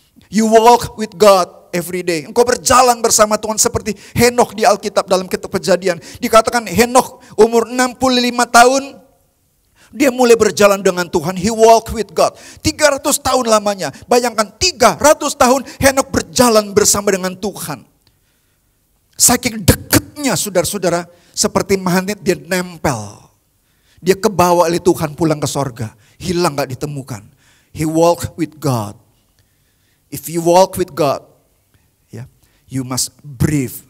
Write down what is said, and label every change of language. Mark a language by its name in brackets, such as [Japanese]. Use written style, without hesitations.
[English] You walk with God every day. [Indonesian] Engkau berjalan bersama Tuhan seperti Henokh di Alkitab dalam Kitab Kejadian. Dikatakan Henokh umur 65 tahun, dia mulai berjalan dengan Tuhan. [English] He walk with God. [Indonesian] 300 tahun lamanya. Bayangkan 300 tahun Henokh berjalan bersama dengan Tuhan. Saking dekatnya, saudara-saudara, seperti magnet dia nempel. Dia kebawa oleh Tuhan pulang ke sorga. Hilang gak ditemukan. [English] He walk with God. If you walk with God, yeah, you must brave.